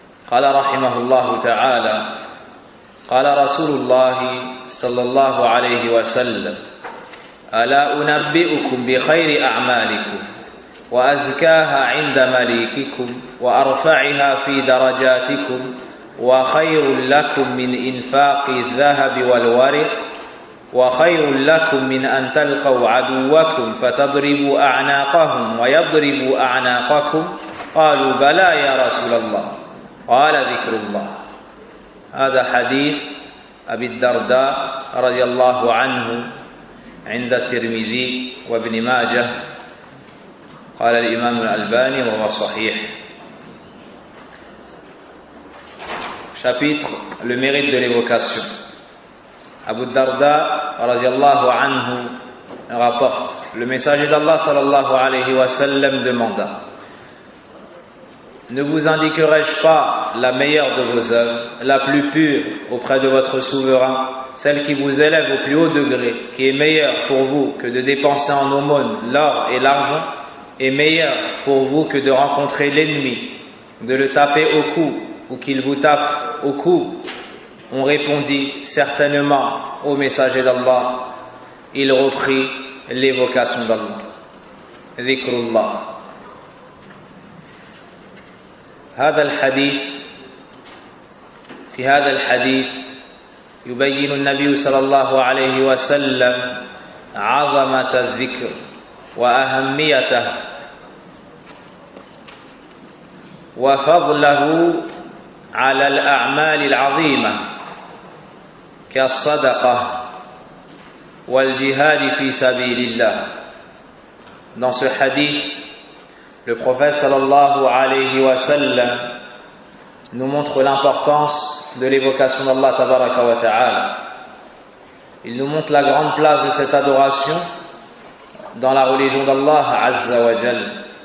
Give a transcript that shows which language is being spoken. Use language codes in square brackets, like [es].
[ar] Qala rahimahullah ta'ala, qala rasulullah sallallahu alayhi wa sallam: ala unabbi'ukum bi khayri a'malikum wa azkaha 'inda malikikum wa arfa'aha fi darajatikum وخير لكم من إنفاق الذهب والورق وخير لكم من أن تلقوا عدوكم فتضربوا أعناقهم ويضربوا أعناقكم. قالوا بلى يا رسول الله. قال ذكر الله. هذا حديث أبي الدرداء رضي الله عنه عند الترمذي وابن ماجه، قال الإمام الألباني وهو صحيح. [fr] Chapitre, le mérite de l'évocation. Abu Darda, radiallahu anhu, rapporte: le messager d'Allah, sallallahu alayhi wa sallam, demanda: ne vous indiquerai-je pas la meilleure de vos œuvres, la plus pure auprès de votre souverain, celle qui vous élève au plus haut degré, qui est meilleure pour vous que de dépenser en aumône l'or et l'argent, et meilleure pour vous que de rencontrer l'ennemi, de le taper au cou ou qu'il vous tape au cou? On répondit: certainement, au messager d'Allah. Il reprit l'évocation d'Allah. [ar] Zikrullah. هذا الحديث في هذا الحديث يبين النبي صلى الله عليه وسلم عظمة الذكر وأهميته وفضله على الأعمال العظيمة كالصدقة والجهاد في سبيل الله. [fr] Dans ce hadith, le prophète sallallahu alayhi wa sallam nous montre l'importance de l'évocation d'Allah tabaraka wa ta'ala. Il nous montre la grande place de cette adoration dans la religion d'Allah azza wa jal.